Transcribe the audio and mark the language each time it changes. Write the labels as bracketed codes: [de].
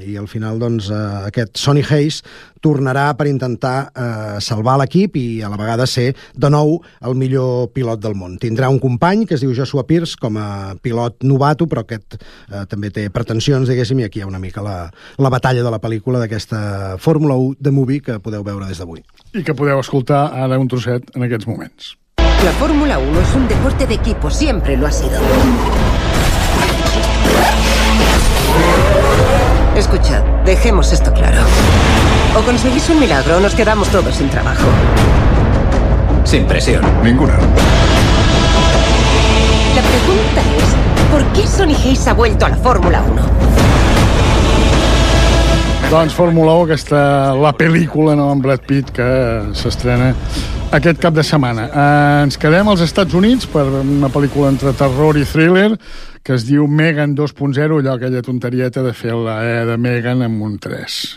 [ca] I al final, doncs, aquest Sonny Hayes tornarà per intentar salvar l'equip i a la vegada ser de nou el millor pilot del món. Tindrà un company que es diu Joshua Pierce com a pilot novato, però aquest també té pretensions, diguéssim, i aquí hi ha una mica la batalla de la pel·lícula d'aquesta Fórmula 1 de Movie que podeu veure des d'avui. I que podeu escoltar ara un trosset en aquests moments. [es] La Fórmula 1 és un deporte de equipo, siempre lo ha sido. Escuchad, dejemos esto claro. O conseguís un milagro o nos quedamos todos sin trabajo. Sin presión. Ninguna. La pregunta es, ¿por qué Sonny Hayes ha vuelto a la Fórmula 1? [ca] Doncs Fórmula 1, aquesta, la pel·lícula, no, amb Brad Pitt, que s'estrena aquest cap de setmana. Ens quedem als Estats Units per una pel·lícula entre terror i thriller que es diu Megan 2.0, allò, aquella tonterieta de fer la E de Megan amb un 3.